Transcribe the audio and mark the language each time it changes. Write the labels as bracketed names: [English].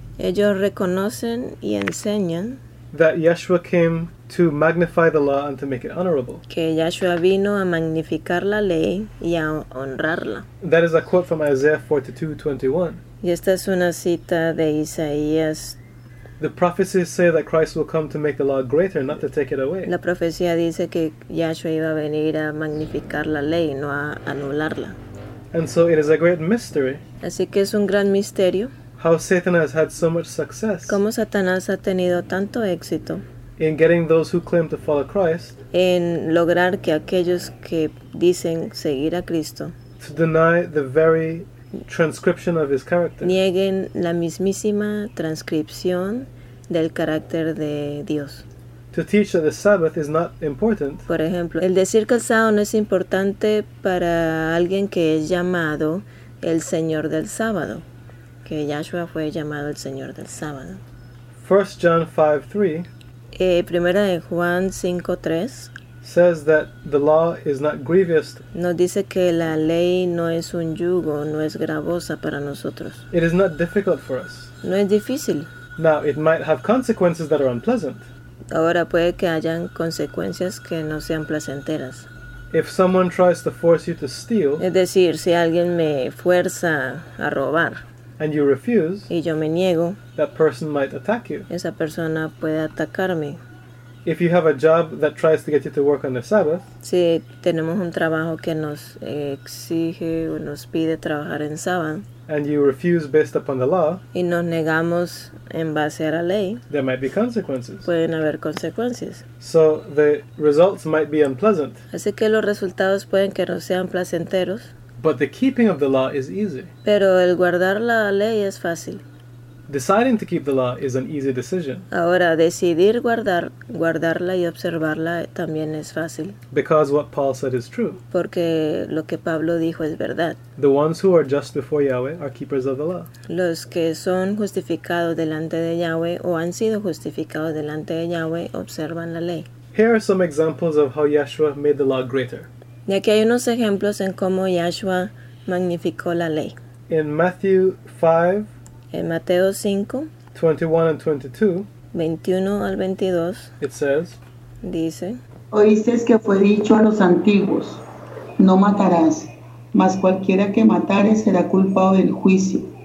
[Spanish] Ellos reconocen y enseñan [English] that Yeshua came to magnify the law and to make it honorable. [Spanish] Que Yeshua vino a magnificar la ley y a honrarla. [English] That is a quote from Isaiah 42:21. [Spanish] Y esta es una cita de Isaías. [English] The prophecies say that Christ will come to make the law greater, not to take it away. [Spanish] La profecía dice que Yeshua iba a venir a magnificar la ley, no a anularla. [English] And so it is a great mystery. [Spanish] Así que es un gran misterio. [English] How Satan has had so much success. [Spanish] Cómo Satanás ha tenido tanto éxito. [English] In getting those who claim to follow Christ. [Spanish] En lograr que aquellos que dicen seguir a Cristo. [English] To deny the very transcription of his character. [Spanish] Nieguen la mismísima transcripción del carácter de Dios. [English] To teach that the Sabbath is not important. [Spanish] Por ejemplo, el decir que el sábado no es importante para alguien que es llamado el Señor del Sábado. Que Yahshua fue llamado el Señor del Sábado. [English] 1 John 5:3. [Spanish] Primera de Juan 5:3. [English] Says that the law is not grievous. [Spanish] Nos dice que la ley no es un yugo, no es gravosa para nosotros. [English] It is not difficult for us. [Spanish] No es difícil. [English] Now it might have consequences that are unpleasant. [Spanish] Ahora puede que hayan consecuencias que no sean placenteras. [English] If someone tries to force you to steal. [Spanish] Es decir, si alguien me fuerza a robar. [English] And you refuse, [Spanish] y yo me niego, [English] that person might attack you. [Spanish] Esa persona puede atacarme. [English] If you have a job that tries to get you to work on the Sabbath, [Spanish] si tenemos un trabajo que nos exige o nos pide trabajar en sábado, [English] and you refuse based upon the law, [Spanish] y nos negamos en base a la ley, [English] there might be consequences. [Spanish] Pueden haber consecuencias. [English] So the results might be unpleasant. [Spanish] Así que los resultados pueden que no sean placenteros. [English] But the keeping of the law is easy. [Spanish] Pero el guardar la ley es fácil. [English] Deciding to keep the law is an easy decision. [Spanish] Ahora, decidir guardarla y observarla también es fácil. [English] Because what Paul said is true. [Spanish] Porque lo que Pablo dijo es verdad. [English] The ones who are just before Yahweh are keepers of the law. [Spanish] Los que son justificados delante de Yahweh o han sido justificados delante de Yahweh observan la ley. [English] Here are some examples of how Yeshua made the law greater. [Spanish] Y aquí hay unos ejemplos en cómo Yahshua magnificó la ley. [English] In Matthew 5, [Spanish] en Mateo 5, [English] 21 and 22, [Spanish] 21 al 22, [English] it says, [Spanish] dice, oísteis que fue dicho a los antiguos, no matarás, mas cualquiera que matare será culpado del juicio.